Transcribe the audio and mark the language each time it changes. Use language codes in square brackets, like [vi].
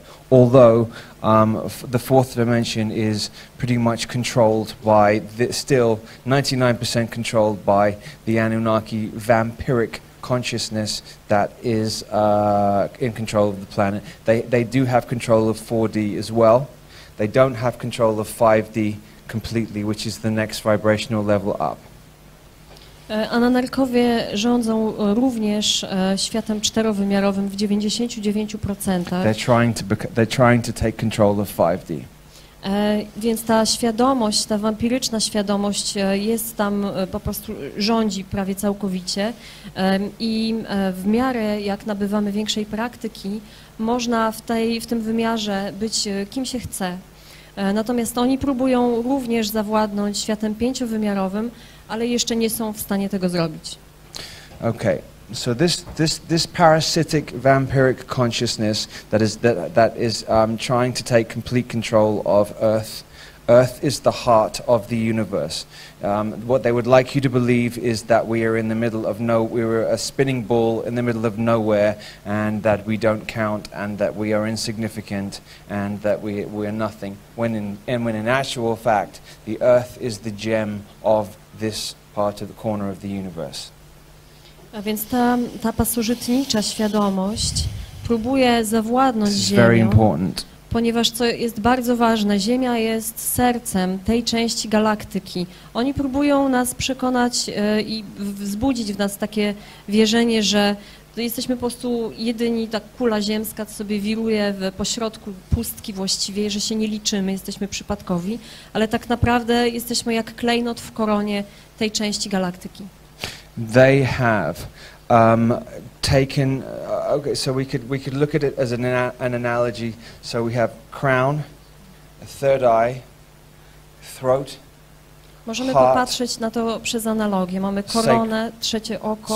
[en] Although the fourth dimension is pretty much controlled by still 99% controlled by the Anunnaki vampiric consciousness that is in control of the planet. They do have control of 4D as well. They don't have control of 5D completely, which is the next vibrational level up. [pl] Anunnakowie rządzą również światem czterowymiarowym w 99%. [en] They're trying to take control of 5D. [pl] Więc ta świadomość, ta wampiryczna świadomość jest tam, po prostu rządzi prawie całkowicie i w miarę jak nabywamy większej praktyki, można w tym wymiarze być kim się chce. Natomiast oni próbują również zawładnąć światem pięciowymiarowym, ale jeszcze nie są w stanie tego zrobić. [en] Okay. So this parasitic vampiric consciousness that is trying to take complete control of Earth. Earth is the heart of the universe. What they would like you to believe is that we are in the middle of a spinning ball in the middle of nowhere, and that we don't count, and that we are insignificant, and that we are nothing. When in actual fact, the Earth is the gem of this part of the corner of the universe. [pl] A więc ta pasożytnicza świadomość próbuje zawładnąć Ziemią, ponieważ co jest bardzo ważne, Ziemia jest sercem tej części galaktyki. Oni próbują nas przekonać i wzbudzić w nas takie wierzenie, że jesteśmy po prostu jedyni, ta kula ziemska sobie wiruje w pośrodku pustki właściwie, że się nie liczymy, jesteśmy przypadkowi, ale tak naprawdę jesteśmy jak klejnot w koronie tej części galaktyki. [en] They have taken. Okay, so we could look at it as an analogy. So we have crown, a third eye, throat. [pl] Możemy [en] heart, [pl] popatrzeć na to przez analogię. Mamy koronę, trzecie oko,